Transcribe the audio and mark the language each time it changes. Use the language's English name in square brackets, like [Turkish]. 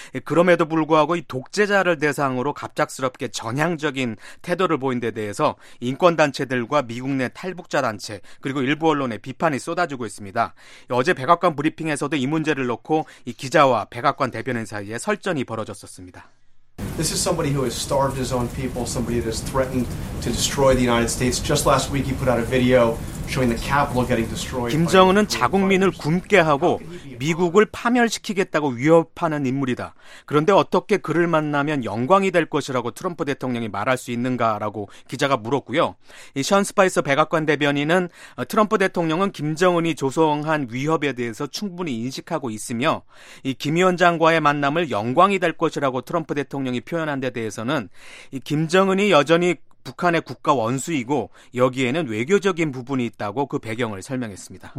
[Korean] 그럼에도 불구하고 이 독재자를 대상으로 갑작스럽게 전향적인 태도를 보인 데 대해서 인권단체들과 미국 내 탈북자단체 그리고 일부 언론에 비판이 쏟아지고 있습니다. 어제 백악관 브리핑에서도 이 문제를 놓고 이 기자와 백악관 대변인 사이에 설전이 벌어졌었습니다. [English] This is somebody who has starved his own people, somebody that has threatened to destroy the United States. Just last week he put out a video showing the capital getting destroyed. [Korean] 김정은은 자국민을 굶게 하고 미국을 파멸시키겠다고 위협하는 인물이다. 그런데 어떻게 그를 만나면 영광이 될 것이라고 트럼프 대통령이 말할 수 있는가라고 기자가 물었고요. 이 션 스파이서 백악관 대변인은 트럼프 대통령은 김정은이 조성한 위협에 대해서 충분히 인식하고 있으며 이 김 위원장과의 만남을 영광이 될 것이라고 트럼프 대통령이 표현한 데 대해서는 이 김정은이 여전히 북한의 국가 원수이고 여기에는 외교적인 부분이 있다고 그 배경을 설명했습니다.